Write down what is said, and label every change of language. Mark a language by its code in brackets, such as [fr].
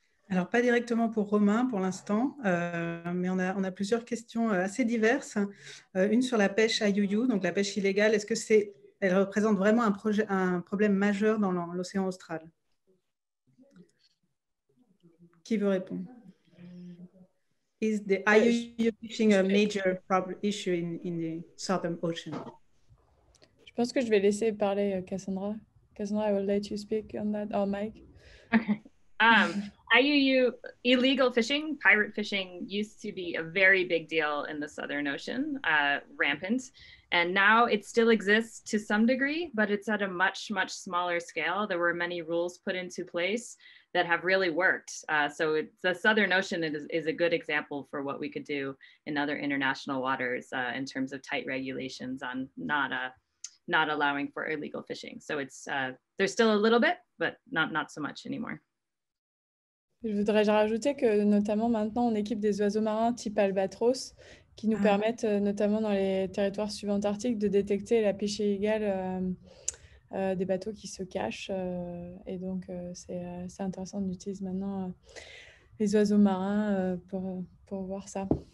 [fr] Alors, pas directement pour Romain pour l'instant, mais on a plusieurs questions assez diverses. Une sur la pêche à Yuyu, donc la pêche illégale. Est-ce que c'est, elle représente vraiment un problème majeur dans l'océan Austral? Qui veut répondre? [en] Is the IUU fishing a major problem issue in the Southern Ocean? [fr] Je pense que je vais laisser parler Cassandra. [en] Cassandra, I will let you speak on that, or Mike. Okay. IUU illegal fishing, pirate fishing, used to be a very big deal in the Southern Ocean, rampant. And now it still exists to some degree, but it's at a much, much smaller scale. There were many rules put into place that have really worked. So it's, the Southern Ocean is a good example for what we could do in other international waters in terms of tight regulations on not allowing for illegal fishing. So it's there's still a little bit, but not so much anymore. [fr] Je voudrais rajouter que notamment maintenant, on équipe des oiseaux marins type albatros qui nous permettent, notamment dans les territoires subantarctiques, de détecter la pêche illégale des bateaux qui se cachent. Et donc, c'est intéressant d'utiliser maintenant les oiseaux marins pour voir ça.